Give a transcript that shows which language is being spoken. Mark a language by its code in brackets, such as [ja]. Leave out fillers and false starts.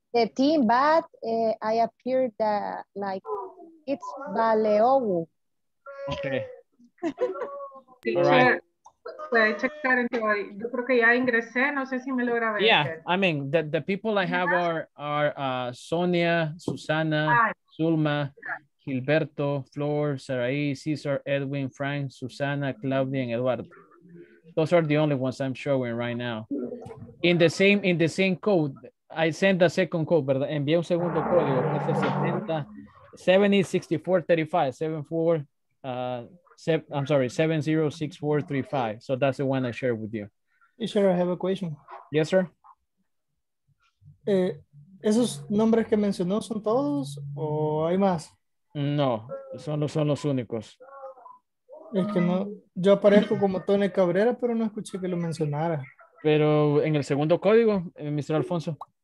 [en] The team, but I appeared that like it's Baleowu. Okay. All right. [es] Puede checar en teoría. Yo creo que ya ingresé, no sé si me lo grabé. [en] Yeah, I mean, the people I have are Sonia, Susana, Zulma, Gilberto, Flor, Sarai, Cesar, Edwin, Frank, Susana, Claudia, and Eduardo. Those are the only ones I'm showing right now. In the same code, I sent a second code, ¿verdad? [es] Envié un segundo código. Es 706435. [en] So that's the one I shared with you. Sir, I have a question. Yes, sir. [es] ¿Esos nombres que mencionó son todos o hay más? No, son los únicos. Es que no, yo aparezco como Tony Cabrera, pero no escuché que lo mencionara. Pero en el segundo código, Mr. Alfonso.